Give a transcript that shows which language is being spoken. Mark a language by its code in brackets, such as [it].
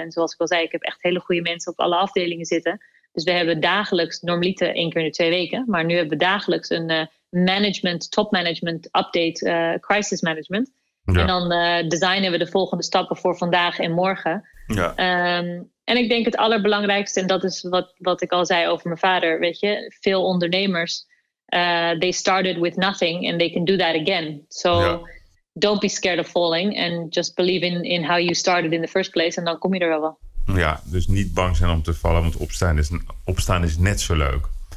[nl] En zoals ik al zei, ik heb echt hele goede mensen op alle afdelingen zitten. Dus we hebben dagelijks, normaliter één keer in de twee weken, maar nu hebben we dagelijks een top management update, crisis management. Ja. En dan designen we de volgende stappen voor vandaag en morgen. Ja. En ik denk het allerbelangrijkste, en dat is wat ik al zei over mijn vader, weet je, veel ondernemers, [en] they started with nothing and they can do that again. So, ja. Don't be scared of falling and just believe in how you started in the first place. [nl] En dan kom je er wel. Ja, dus niet bang zijn om te vallen, want opstaan is net zo leuk.